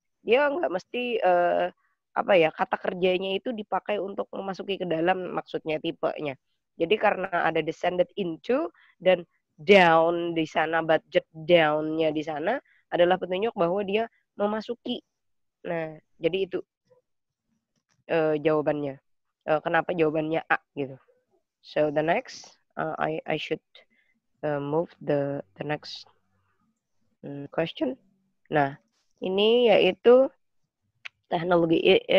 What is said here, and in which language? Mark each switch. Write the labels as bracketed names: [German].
[Indonesian] Dia nggak mesti, kata kerjanya itu dipakai untuk memasuki ke dalam maksudnya, tipenya. Jadi karena ada descended into dan down di sana, budget down-nya di sana adalah petunjuk bahwa dia memasuki. Nah, jadi itu jawabannya. Kenapa jawabannya A gitu. [English] So the next, I should move the next question. [Indonesian] Nah, ini yaitu teknologi.